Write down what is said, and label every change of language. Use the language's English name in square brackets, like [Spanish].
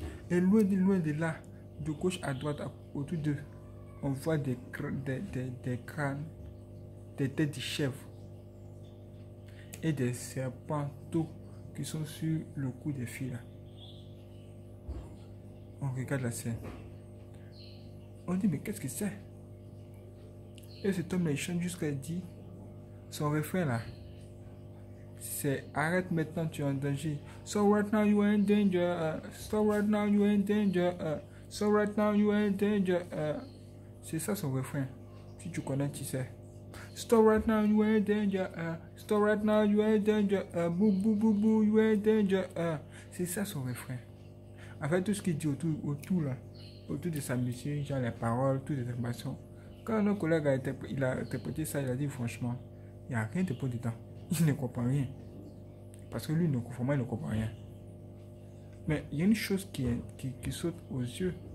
[French] Et loin de là, de gauche à droite, autour d'eux, on voit des crânes, des têtes de chèvres et des serpenteaux qui sont sur le cou des filles. On regarde la scène. On dit, mais qu'est-ce que c'est? Et cet homme-là, il chante jusqu'à dire son refrain là. C'est arrête maintenant, tu es en danger. [English] So right now you are in danger. So right now you are in danger. So right now you are in danger. [French] C'est ça son refrain. Si tu connais, tu sais. [English] Stop right now, you are in danger. Stop right now, you are in danger. Boo boo boo boo, you are in danger. [French] C'est ça son refrain. En fait, tout ce qu'il dit autour là, autour de sa musique, genre les paroles, toutes les informations. Quand notre collègue a interprété ça, il a dit franchement, il n'y a rien de pour dedans. Il ne comprend rien. Parce que lui, conformément, il ne comprend rien. Mais il y a une chose qui saute aux yeux.